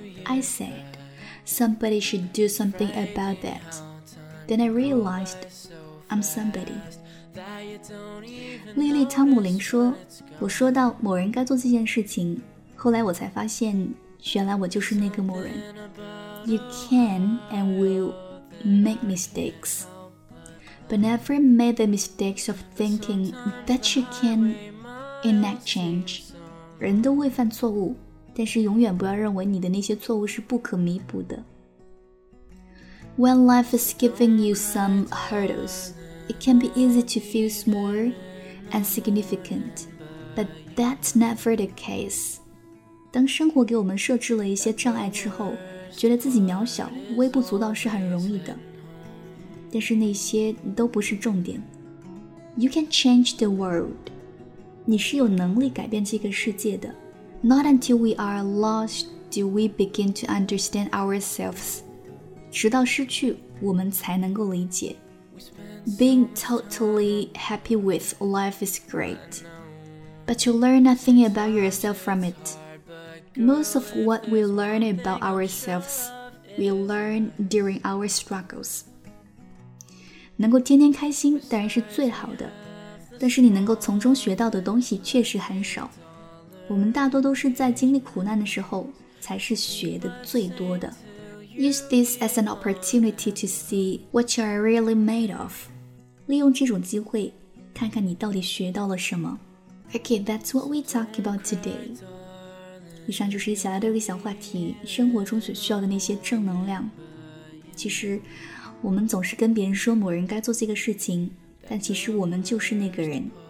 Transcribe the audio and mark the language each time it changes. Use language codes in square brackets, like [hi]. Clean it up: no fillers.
[en] I said somebody should do something about that. Then I realized I'm somebody. [zh] 莉莉·汤姆林说，我说到某人该做这件事情，后来我才发现原来我就是那个某人。 [en] You can and will make mistakes, but never make the mistakes of thinking that you can enact change. [zh] 人都会犯错误，但是永远不要认为你的那些错误是不可弥补的。 [en] When life is giving you some hurdlesIt can be easy to feel small and significant, but that's never the case. [zh] 当生活给我们设置了一些障碍之后，觉得自己渺小、微不足道是很容易的。但是那些都不是重点。 [en] You can change the world. [zh] 你是有能力改变这个世界的。 [en] Not until we are lost do we begin to understand ourselves. [zh] 直到失去，我们才能够理解。 [en] Being totally happy with life is great, but you learn nothing about yourself from it. Most of what we learn about ourselves, we learn during our struggles. [zh] 能够天天开心当然是最好的，但是你能够从中学到的东西确实很少。我们大多都是在经历苦难的时候才是学的最多的。 [en] Use this as an opportunity to see what you are really made of. [zh] 利用这种机会，看看你到底学到了什么。 [en] Okay, that's what we talk about today. [zh] 以上就是一起来的一个小话题，生活中所需要的那些正能量。其实，我们总是跟别人说某人该做这个事情，但其实我们就是那个人。